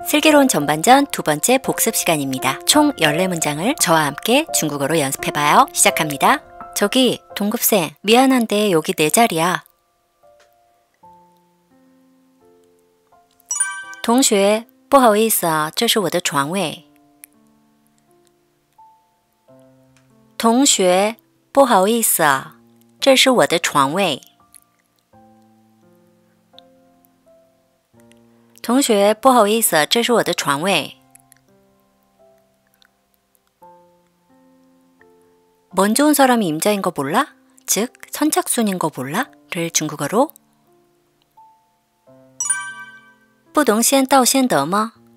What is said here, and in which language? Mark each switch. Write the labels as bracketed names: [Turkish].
[Korean] 슬기로운 전반전 두 번째 복습 시간입니다. 총 14문장을 저와 함께 중국어로 연습해봐요. 시작합니다. 저기 동급생, 미안한데 여기 내 자리야. [Chinese] 동쉐, 不好意思啊, 这是我的床位. 동쉐, 不好意思啊, 这是我的床位. 同学,不好意思,这是我的床位. [Korean] 먼저 온 사람이 임자인 거 몰라? 즉, 선착순인 거 몰라? 를 중국어로 [Chinese] 不懂先到先得吗?